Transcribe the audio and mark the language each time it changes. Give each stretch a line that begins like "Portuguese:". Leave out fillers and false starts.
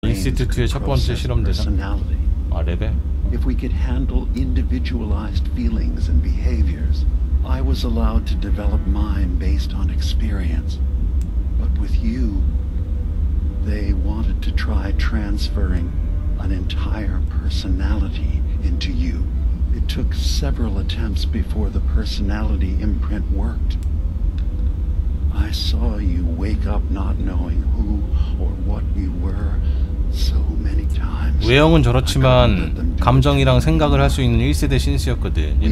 Korean: 엑시트2의 첫 번째 실험 대상. 아, 레벨.
English: If we could handle individualized feelings and behaviors, I was allowed to develop mine based on experience. But with you, they wanted to try transferring an entire personality into you. It took several attempts before the personality imprint worked. I saw you wake up not knowing who or what you were.
Korean: 외형은 저렇지만 감정이랑 생각을 할 수 있는 1세대 신스였거든.